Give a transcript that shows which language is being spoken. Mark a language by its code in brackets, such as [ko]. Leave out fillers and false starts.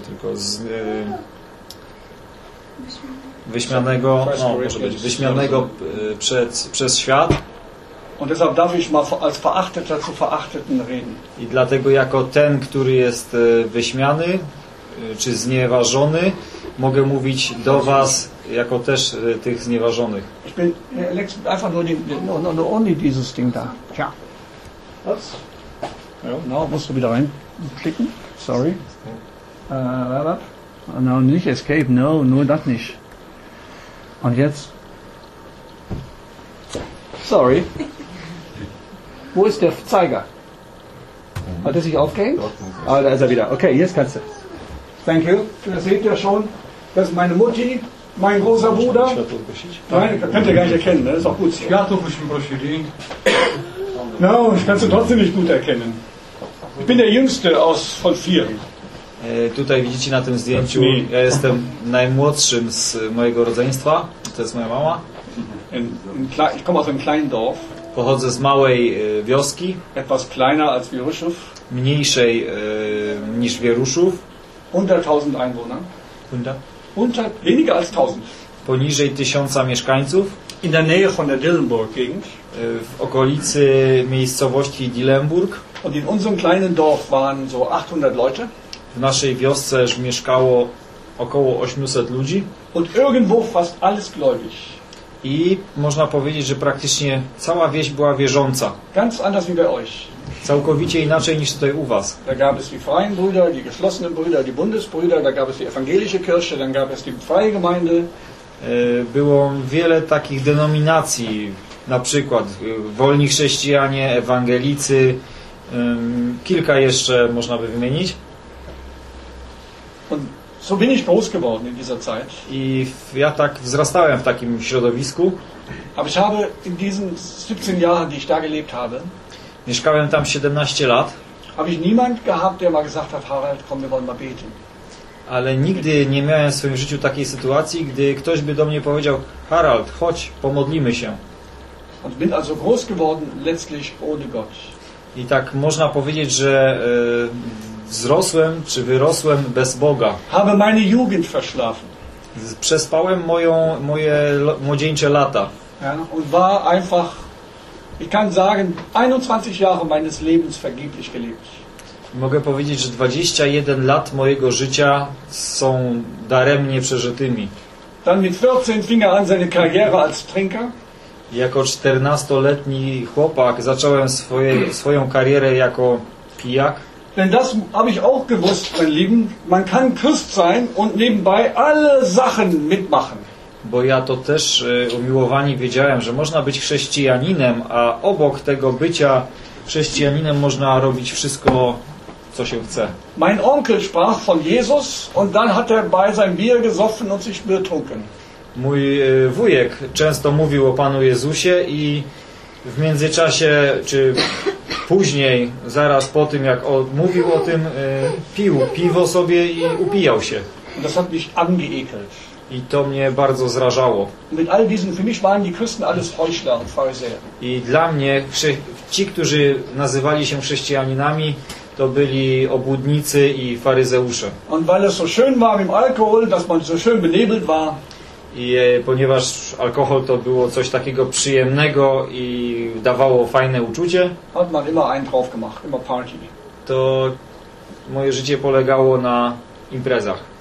[pl] tylko z wyśmianego, no, może być wyśmianego przez świat. [de] Und deshalb darf ich mal als Verachteter zu Verachteten reden. [pl] I dlatego jako ten, który jest wyśmiany czy znieważony, mogę mówić do was jako też tych znieważonych. [de] Ich bin einfach nur only dieses Ding da. Tja. Was? Ja, no, musst du wieder reinklicken. Sorry. No, nicht escape, no, nur das nicht. Und jetzt? Sorry. Wo ist der Zeiger? Hat er sich aufgehängt? Ah, da ist er wieder. Okay, jetzt kannst du. [en] Thank you. [de] Ihr seht ja schon, das ist meine Mutti, mein großer Bruder. Nein, könnt ihr gar nicht erkennen, das ist auch gut. [pl] Światów byśmy prosili. [de] No, ich kann es trotzdem nicht gut erkennen. Ich bin der Jüngste aus von vier. [pl] Tutaj widzicie na tym zdjęciu, ja jestem najmłodszym z mojego rodzeństwa. To jest moja mama. [de] Ich komme aus einem kleinen Dorf. [pl] Pochodzę z małej wioski. [de] Etwas kleiner als Wieruszów. [pl] Mniejszej niż Wieruszów. [de] Unter 1000 Einwohner. Unter weniger als 1000. [pl] Poniżej 1000 mieszkańców. [de] In der Nähe von der Dillenburg Gegend. [pl] W okolicy miejscowości Dillenburg. [de] Und in unserem kleinen Dorf waren so 800 Leute. [pl] W naszej wiosce mieszkało około 800 ludzi. [de] Und irgendwo fast alles gläubig. [pl] I można powiedzieć, że praktycznie cała wieś była wierząca. [de] Ganz anders wie bei euch. [pl] Całkowicie inaczej niż tutaj u was. [de] Da gab es die freien Brüder, die geschlossenen Brüder, die Bundesbrüder, da gab es die evangelische Kirche, dann gab es die freie Gemeinde. [pl] Było wiele takich denominacji, na przykład wolni chrześcijanie, ewangelicy, kilka jeszcze można by wymienić. [de] Und so bin ich groß geworden in dieser Zeit. [pl] I ja tak wzrastałem w takim środowisku. [de] Aber ich habe in diesen 17 Jahren, die ich da gelebt habe, [pl] mieszkałem tam 17 lat. [de] Habe ich niemand gehabt, der mal gesagt hat, Harald, komm, wir wollen mal beten. [pl] Ale nigdy nie miałem w swoim życiu takiej sytuacji, gdy ktoś by do mnie powiedział, Harald, chodź, pomodlimy się. [de] Und bin also groß geworden letztlich ohne Gott. [pl] I tak można powiedzieć, że wzrosłem czy wyrosłem bez Boga. [de] Habe meine Jugend verschlafen. [pl] Przespałem moje młodzieńcze lata. [de] Ja, und war einfach, ich kann sagen, 21 Jahre meines Lebens vergeblich gelebt. [pl] Mogę powiedzieć, że 21 lat mojego życia są daremnie przeżytymi. [de] Dann mit 14 fing er an seine Karriere als Trinker. [pl] Jako 14-letni chłopak zacząłem swoją karierę jako pijak. [de] Denn das habe ich auch gewusst, mein Lieben. Man kann Christ sein und nebenbei alle Sachen mitmachen. [pl] bo ja to też umiłowani wiedziałem, że można być chrześcijaninem, a obok tego bycia chrześcijaninem można robić wszystko, co się chce. [de] Mein Onkel sprach von Jesus und dann hat bei seinem Bier gesoffen und sich betrunken. [pl] Mój wujek często mówił o Panu Jezusie i w międzyczasie, czy później, zaraz po tym, jak mówił o tym, pił piwo sobie i upijał się. [de] Das hat mich angeekelt. [pl] I to mnie bardzo zrażało. [de] Mit all diesen, für mich waren die Christen alles Heuchler und Pharisäer. [pl] I dla mnie ci, którzy nazywali się chrześcijaninami, to byli obłudnicy i faryzeusze. [de] Und weil es so schön war mit dem Alkohol, dass man so schön benebelt war. [pl] I ponieważ alkohol to było coś takiego przyjemnego i dawało fajne uczucie, [de] hat man immer einen drauf gemacht, immer Party. [pl] To moje życie polegało na imprezach.